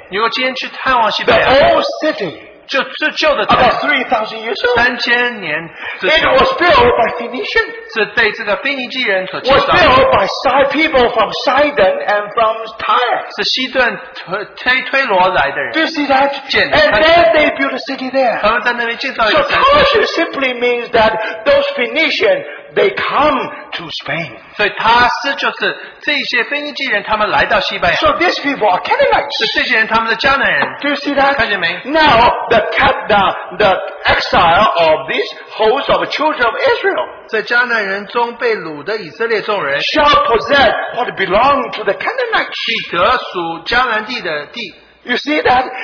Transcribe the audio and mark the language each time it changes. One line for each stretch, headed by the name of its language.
Chinese: 如果今天去探望西班牙,
English: the old city,
Chinese: 就是旧的城,
English: about 3,000 years old,
Chinese: 3,000年,
English: it was built by Phoenicians.
Chinese: 是被这个腓尼基人所建造,
English: was built by side people from Sidon and from Tyre.
Chinese: 是西顿推罗来的人,
English: do you see that?
Chinese: 建的,
English: and then they built a city there.
Chinese: 他们在那边建造一个城,
English: so Tarshish simply means that those Phoenicians, they come to Spain.
Chinese: 所以他是就是, 这些腓尼基人,
English: so these people are Canaanites.
Chinese: 是这些人,
English: do you see that?
Chinese: 看见没?
English: Now, the exile of this host of the children of Israel shall possess what belonged to the Canaanites. You see that?